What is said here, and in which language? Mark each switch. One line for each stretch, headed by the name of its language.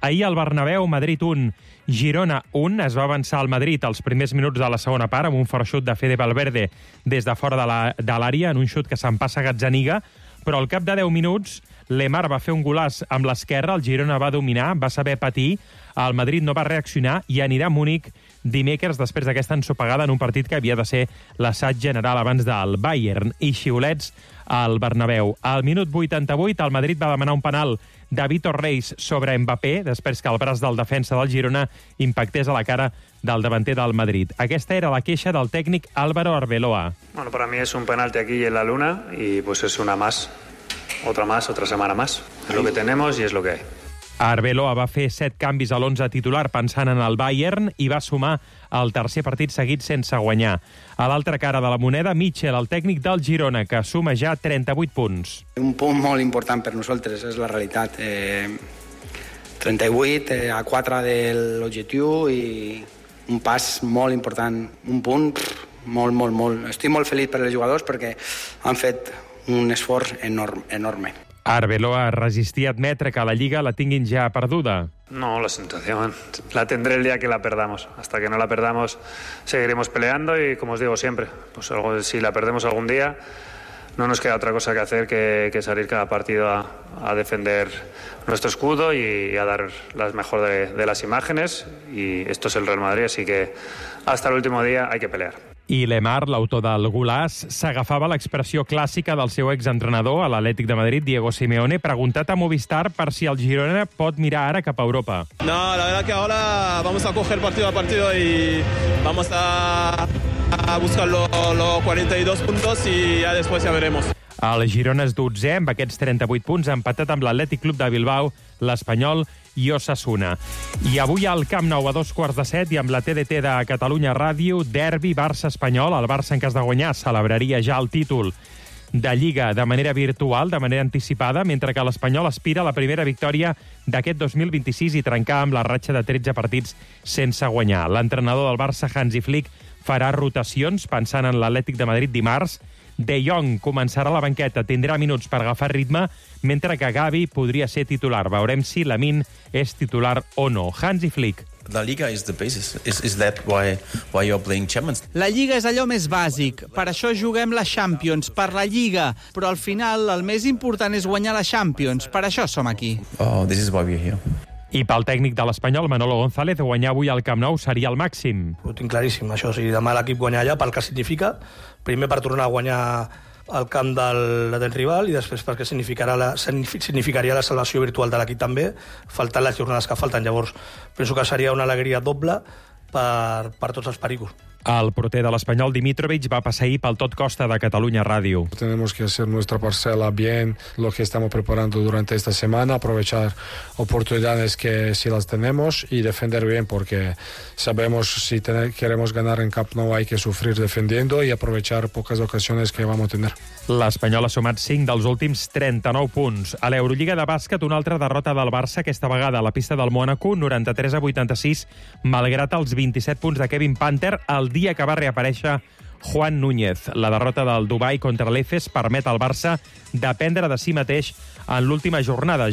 Catalan: Ahir al Bernabéu, Madrid 1, Girona 1, es va avançar al Madrid als primers minuts de la segona part amb un fort xut de Fede Valverde des de fora de l'àrea, en un xut que s'empassa Gazzaniga, però al cap de 10 minuts Lemar va fer un golaç amb l'esquerra, el Girona va dominar, va saber patir, el Madrid no va reaccionar i anirà a Múnich dimecres després d'aquesta ensopegada en un partit que havia de ser l'assaig general abans del Bayern i xiulets al Bernabéu. Al minut 88 el Madrid va demanar un penal de Vitor Reis sobre Mbappé després que el braç del defensa del Girona impactés a la cara del davanter del Madrid. Aquesta era la queixa del tècnic Álvaro Arbeloa.
Spanish: Bueno, para mí es un penalti aquí en la luna y pues es una más, otra más, otra semana más. Es lo que tenemos y es lo que hay.
Catalan: Arbeloa va fer 7 canvis a l'11 titular pensant en el Bayern i va sumar el tercer partit seguit sense guanyar. A l'altra cara de la moneda, Mitchell, el tècnic del Girona, que suma ja 38 punts. Un punt molt important per nosaltres, és la realitat. 38 a 4 de l'objectiu i un pas molt important, un punt molt, molt, molt. Estic molt feliç per els jugadors perquè han fet un esforç enorme, enorme. Arbeloa resistí a admetre que la Lliga la tinguin ja perduda.
Spanish: No, la sensación la tendré el día que la perdamos. Hasta que no la perdamos seguiremos peleando y, como os digo siempre, pues algo, si la perdemos algún día no nos queda otra cosa que hacer que salir cada partido a defender nuestro escudo y a dar las mejor de las imágenes. Y esto es el Real Madrid, así que hasta el último día hay que pelear.
Catalan: I Lemar, l'autor del golaç, s'agafava l'expressió clàssica del seu exentrenador a l'Atlètic de Madrid, Diego Simeone, preguntat a Movistar per si el Girona pot mirar ara cap a Europa.
Spanish: No, la verdad que ahora vamos a coger partido a partido y vamos a buscar los 42 puntos y ya después ya veremos.
Catalan: El Girona és 12è amb aquests 38 punts, empatat amb l'Atlètic Club de Bilbao, l'Espanyol i Osasuna. I avui al Camp Nou a 6:45 i amb la TDT de Catalunya Ràdio, derbi Barça-Espanyol. El Barça, en cas de guanyar, celebraria ja el títol de Lliga de manera virtual, de manera anticipada, mentre que l'Espanyol aspira a la primera victòria d'aquest 2026 i trencar amb la ratxa de 13 partits sense guanyar. L'entrenador del Barça, Hansi Flick, farà rotacions pensant en l'Atlètic de Madrid dimarts. De Jong començarà la banqueta, tindrà minuts per agafar ritme, mentre que Gavi podria ser titular. Veurem si Lamine és titular o no. Hansi Flick.
English: La Liga is the basis. Is that why you're playing Champions?
Catalan: La Liga és allò més bàsic. Per això juguem la Champions, per la Liga. Però al final el més important és guanyar la Champions. Per això som aquí.
English: Oh, this is why we're here.
Catalan: I pel tècnic de l'Espanyol, Manolo González, guanyar avui al Camp Nou seria el màxim. Ho tinc claríssim, això. Si demà l'equip guanya allà, pel que significa, primer per tornar a guanyar el camp del rival i després perquè significaria la salvació virtual de l'equip també, faltant les jornades que falten. Llavors, penso que seria una alegria doble per tots els pericos. El porter de l'Espanyol Dimitrovic va passar ahir pel Tot Costa de Catalunya Ràdio.
Spanish: Tenemos que hacer nuestra parcela bien, lo que estamos preparando durante esta semana, aprovechar oportunidades que si las tenemos y defender bien, porque sabemos si queremos ganar en Camp Nou hay que sufrir defendiendo y aprovechar pocas ocasiones que vamos a tener.
Catalan: L'Espanyol ha sumat 5 dels últims 39 punts. A l'Eurolliga de bàsquet, una altra derrota del Barça, aquesta vegada a la pista del Mónaco, 93-86, malgrat els 27 punts de Kevin Panther, el dia que va reaparèixer Juan Núñez. La derrota del Dubai contra l'Efes permet al Barça dependre de si mateix en l'última jornada.